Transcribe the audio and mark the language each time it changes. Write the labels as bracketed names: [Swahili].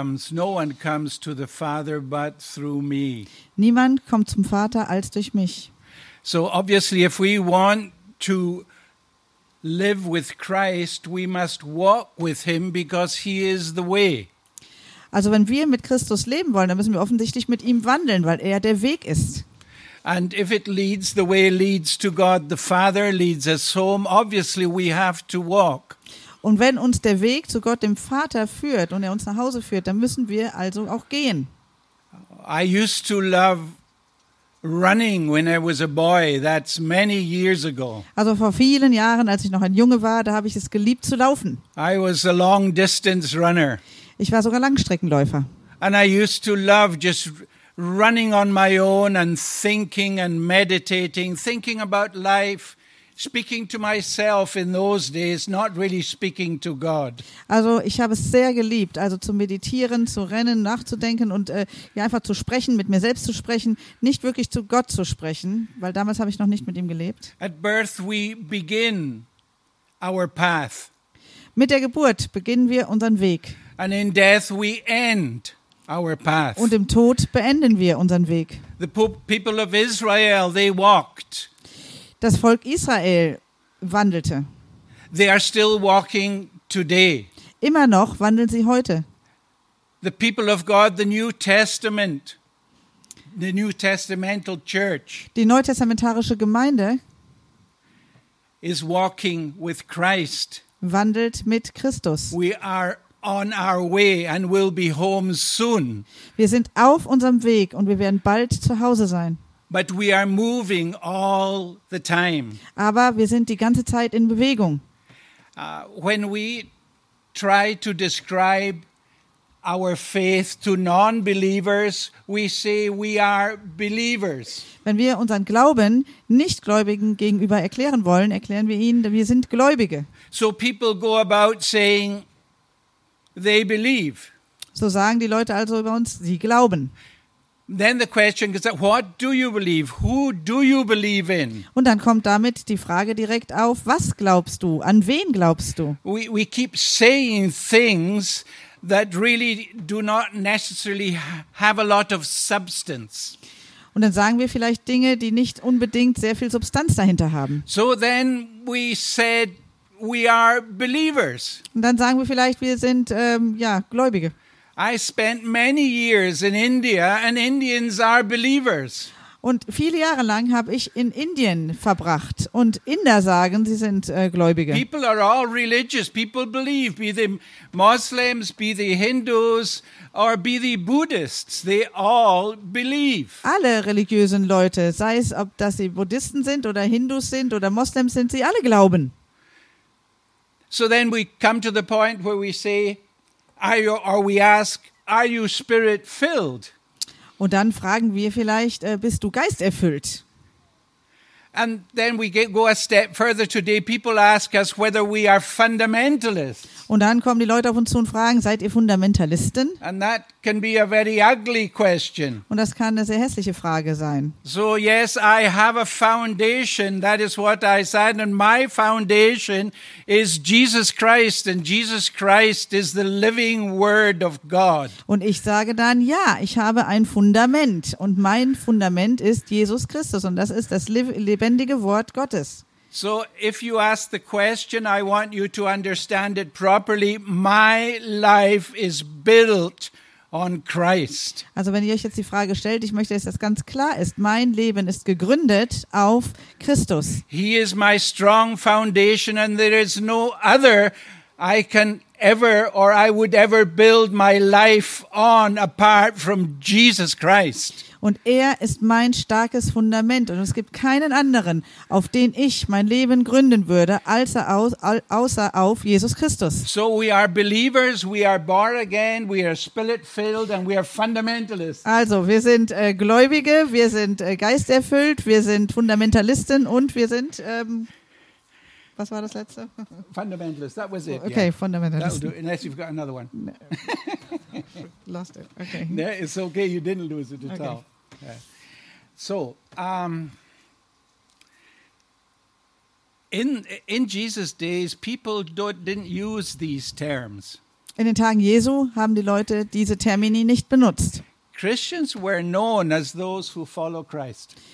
[English] No one comes to the Father but through me. [German] Niemand kommt zum Vater als durch mich. [English] So obviously if we want to live with Christ, we must walk with him because he is the way. [German] Also wenn wir mit Christus leben wollen, dann müssen wir offensichtlich mit ihm wandeln, weil er der Weg ist. [English] And if it leads, the way leads to God, the Father leads us home, obviously we have to walk. [German] Und wenn uns der Weg zu Gott, dem Vater, führt und er uns nach Hause führt, dann müssen wir also auch gehen. [English] I used to love running when I was a boy. That's many years ago. [German] Also vor vielen Jahren, als ich noch ein Junge war, da habe ich es geliebt zu laufen. [English] I was a long distance runner. [German] Ich war sogar Langstreckenläufer. [English] And I used to love just running on my own and thinking and meditating, thinking about life. Speaking to myself in those days, not really speaking to God. [German] Also ich habe es sehr geliebt, also zu meditieren, zu rennen, nachzudenken und einfach zu sprechen, mit mir selbst zu sprechen, nicht wirklich zu Gott zu sprechen, weil damals habe ich noch nicht mit ihm gelebt. [English] At birth we begin our path. [German] Mit der Geburt beginnen wir unseren Weg. [English] And in death we end our path. [German] Und im Tod beenden wir unseren Weg. [English] The people of Israel, they walked. [German] Das Volk Israel wandelte. [English] They are still walking today. [German] Immer noch wandeln sie heute. [English] The people of God, the New Testament, the New Testamental Church, [German] die neutestamentarische Gemeinde, [English] is walking with Christ. [German] Wandelt mit Christus. [English] We are on our way and will be home soon. [German] Wir sind auf unserem Weg und wir werden bald zu Hause sein. [English] But we are moving all the time. [German] Aber wir sind die ganze Zeit in Bewegung. [English] When we try to describe our faith to non-believers, we say we are believers. [German] Wenn wir unseren Glauben Nichtgläubigen gegenüber erklären wollen, erklären wir ihnen, wir sind Gläubige. [English] So people go about saying they believe. [German] So sagen die Leute also über uns, sie glauben. [English] Then the question is, what do you believe? Who do you believe in? [German] Und dann kommt damit die Frage direkt auf, was glaubst du? An wen glaubst du? [English] We keep saying things that really do not necessarily have a lot of substance. [German] Und dann sagen wir vielleicht Dinge, die nicht unbedingt sehr viel Substanz dahinter haben. [English] So then we said we are believers. [German] Und dann sagen wir vielleicht, wir sind Gläubige. [English] I spent many years in India and Indians are believers. [German] Und viele Jahre lang habe ich in Indien verbracht und Inder sagen, sie sind Gläubige. [English] People are all religious. People believe, be they Muslims, be they Hindus or be they Buddhists, they all believe. [German] Alle religiösen Leute, sei es ob das sie Buddhisten sind oder Hindus sind oder Moslems sind, sie alle glauben. [English] So then we come to the point where we say, are you spirit filled? [German] Und dann fragen wir vielleicht, bist du geisterfüllt? [English] And then we go a step further today. People ask us whether we are fundamentalists. [German] Und dann kommen die Leute auf uns zu und fragen, seid ihr Fundamentalisten? [English] And that can be a very ugly question. [German] Und das kann eine sehr hässliche Frage sein. [English] So yes, I have a foundation, that is what I said, and my foundation is Jesus Christ, and Jesus Christ is the living word of God. [German] Und ich sage dann, ja, ich habe ein Fundament, und mein Fundament ist Jesus Christus, und das ist das lebendige Wort Gottes. [English] So if you ask the question, I want you to understand it properly. My life is built on Christ. [German] Also wenn ihr euch jetzt die Frage stellt, ich möchte, dass das ganz klar ist. Mein Leben ist gegründet auf Christus. [English] He is my strong foundation and there is no other I can ever or I would ever build my life on apart from Jesus Christ. [German] Und er ist mein starkes Fundament und es gibt keinen anderen, auf den ich mein Leben gründen würde, außer auf Jesus Christus. [English] So we are believers, we are born again, we are spirit-filled and we are fundamentalists. [German] Also wir sind Gläubige, wir sind geisterfüllt, wir sind Fundamentalisten und wir sind, was war das letzte? [English] Fundamentalist, that was it. Yeah. Okay, Fundamentalisten. That'll do, unless you've got another one. Lost it. Okay. No, it's okay. You didn't lose it at all. Yeah. So, in Jesus' days, people didn't use these terms. [German] In den Tagen Jesu haben die Leute diese Termini nicht benutzt. [English] Christians were known as those who follow Christ.